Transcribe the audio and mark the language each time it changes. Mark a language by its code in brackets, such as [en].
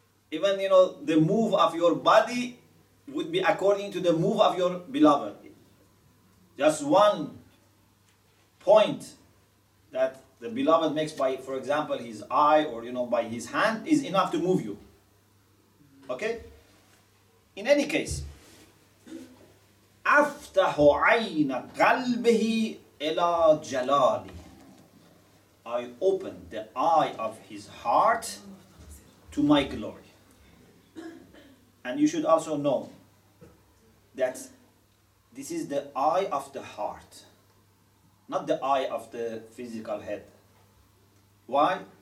[en] Even, you know, the move of your body would be according to the move of your beloved. Just one point that the beloved makes by, for example, his eye or, you know, by his hand is enough to move you. Okay? In any case, [ar] أفتح عين قلبه إلى جلالي. [en] I open the eye of his heart to my glory. And you should also know that this is the eye of the heart, not the eye of the physical head. Why?